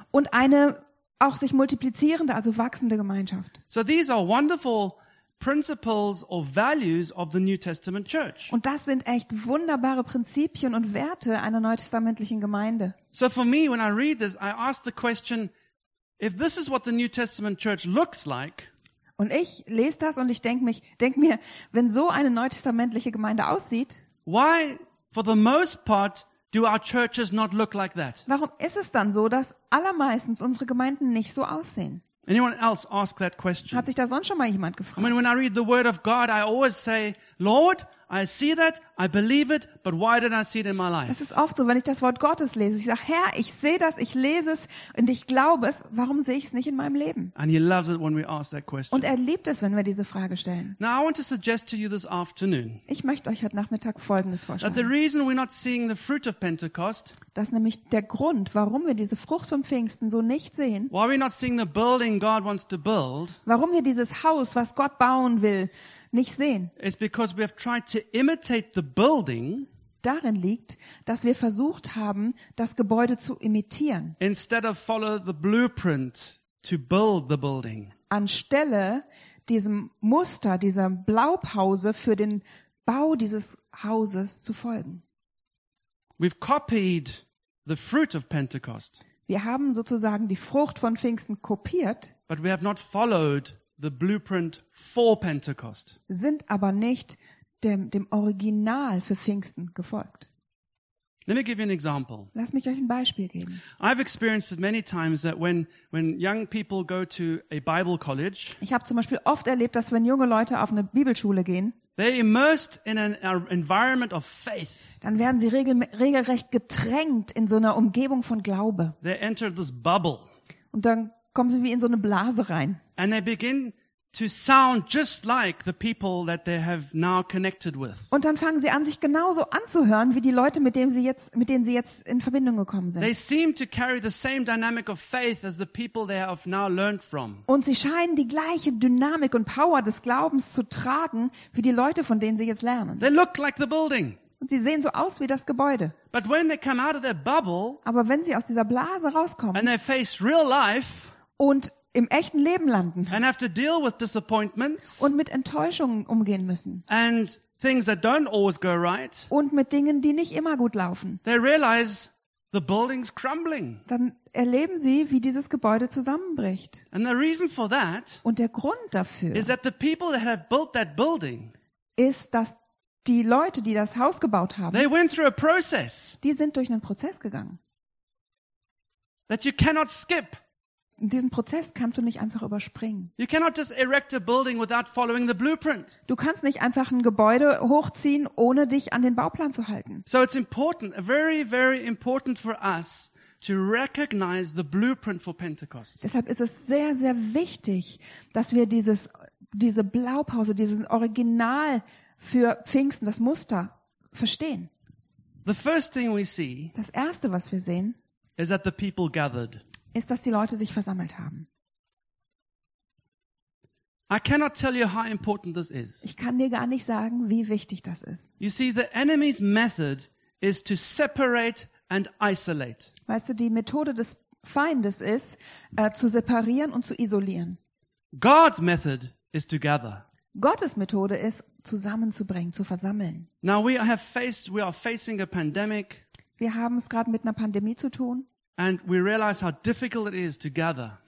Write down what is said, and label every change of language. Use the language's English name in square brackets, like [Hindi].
[German] Und eine auch sich multiplizierende, also wachsende Gemeinschaft. [English] So these are wonderful principles or values of the New Testament church. [German] Und das sind echt wunderbare Prinzipien und Werte einer neutestamentlichen Gemeinde. [English] So for me, when I read this, I ask the question, if this is what the New Testament church looks like. [German] Und ich lese das und ich denk mir, wenn so eine neutestamentliche Gemeinde aussieht, [English] why for the most part do our churches not look like that? [German] Warum ist es dann so, dass allermeistens unsere Gemeinden nicht so aussehen? [English] Anyone else ask that question? [German] Hat sich da sonst schon mal jemand gefragt? [English] I mean, when I read the word of God, I always say, Lord, I see that, I believe it, but why did I see it in my life? [German] Es ist oft so, wenn ich das Wort Gottes lese, ich sage, Herr, ich sehe das, ich lese es und ich glaube es, warum sehe ich es nicht in meinem Leben? [English] And he loves it when we ask that question. [German] Und er liebt es, wenn wir diese Frage stellen. [English] Now I want to suggest to you this afternoon. [German] Ich möchte euch heute Nachmittag Folgendes vorschlagen. [English] That the reason we're not seeing the fruit of Pentecost. [German] Dass nämlich der Grund, warum wir diese Frucht vom Pfingsten so nicht sehen. [English] Why we're not seeing the building God wants to build. [German] Warum wir dieses Haus, was Gott bauen will, nicht sehen. [English] It's because we have tried to imitate the building. [German] Darin liegt, dass wir versucht haben, das Gebäude zu imitieren. [English] Instead of follow the blueprint to build the building. [German] Anstelle diesem Muster, dieser Blaupause für den Bau dieses Hauses zu folgen. [English] We've copied the fruit of Pentecost. [German] Wir haben sozusagen die Frucht von Pfingsten kopiert. [English] But we have not followed the blueprint for Pentecost. [German] Sind aber nicht dem Original für Pfingsten gefolgt. [English] Let me give you an example. [German] Lass mich euch ein Beispiel geben. [English] I've experienced it many times that when young people go to a Bible college. [German] Ich habe zum Beispiel oft erlebt, dass wenn junge Leute auf eine Bibelschule gehen, [English] they're immersed in an environment of faith. [German] Dann werden sie regelrecht getränkt in so einer Umgebung von Glaube. [English] They enter this bubble. [German] Und dann kommen sie wie in so eine Blase rein. [English] And they begin to sound just like the people that they have now connected with. [German] Und dann fangen sie an, sich genauso anzuhören wie die Leute, mit denen sie jetzt in Verbindung gekommen sind. [English] They seem to carry the same dynamic of faith as the people they have now learned from. [German] Und sie scheinen die gleiche Dynamik und Power des Glaubens zu tragen wie die Leute, von denen sie jetzt lernen. [English] They look like the building. [German] Und sie sehen so aus wie das Gebäude. [English] But when they come out of their bubble, [German] aber wenn sie aus dieser Blase rauskommen, [English] and they face real life, [German] und im echten Leben landen, [English] and have to deal with disappointments, [German] und mit Enttäuschungen umgehen müssen, [English] and things that don't always go right, [German] und mit Dingen, die nicht immer gut laufen, [English] they realize the building's crumbling. [German] Dann erleben sie, wie dieses Gebäude zusammenbricht. [English] And the reason for that, [German] und der Grund dafür, [English] is that the people that have built that building, [German] ist, dass die Leute, die das Haus gebaut haben, [English] they went through a process, [German] die sind durch einen Prozess gegangen. [English] That you cannot skip. [German] Diesen Prozess kannst du nicht einfach überspringen. [English] You cannot just erect a building without following the blueprint. [German] Du kannst nicht einfach ein Gebäude hochziehen, ohne dich an den Bauplan zu halten. [English] So it's important, very, very important for us to recognize the blueprint for Pentecost. [German] Deshalb ist es sehr, sehr wichtig, dass wir diese Blaupause, dieses Original für Pfingsten, das Muster, verstehen. [English] The first thing we see, [German] das Erste, was wir sehen, [English] is that the people gathered. [German] Ist, dass die Leute sich versammelt haben. [English] I cannot tell you how important this is. [German] Ich kann dir gar nicht sagen, wie wichtig das ist. [English] You see, the enemy's method is to separate and isolate. [German] Weißt du, die Methode des Feindes ist, zu separieren und zu isolieren. [English] God's method is to gather. [German] Gottes Methode ist, zusammenzubringen, zu versammeln. [English] Now we are facing a pandemic. [German] Wir haben es gerade mit einer Pandemie zu tun. [English] And we realize how difficult it is to gather.